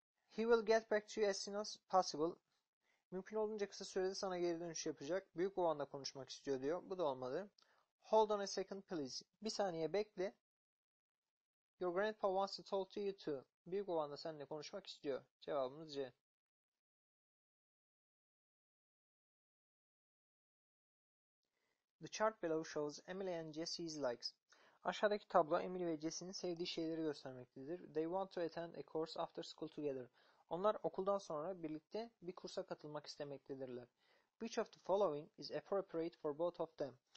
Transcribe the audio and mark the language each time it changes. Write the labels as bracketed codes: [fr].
[en] He will get back to you as soon as possible. [tr] Mümkün olduğunca kısa sürede sana geri dönüş yapacak. Büyük babanla konuşmak istiyor diyor. Bu da olmadı. [en] Hold on a second please. [tr] Bir saniye bekle. [en] Your grandpa wants to talk to you too. [tr] Büyük baban da seninle konuşmak istiyor. Cevabımız C. [en] The chart below shows Emily and Jesse's likes. [tr] Aşağıdaki tablo Emily ve Jesse'nin sevdiği şeyleri göstermektedir. [en] They want to attend a course after school together. [tr] Onlar okuldan sonra birlikte bir kursa katılmak istemektedirler. [en] Which of the following is appropriate for both of them?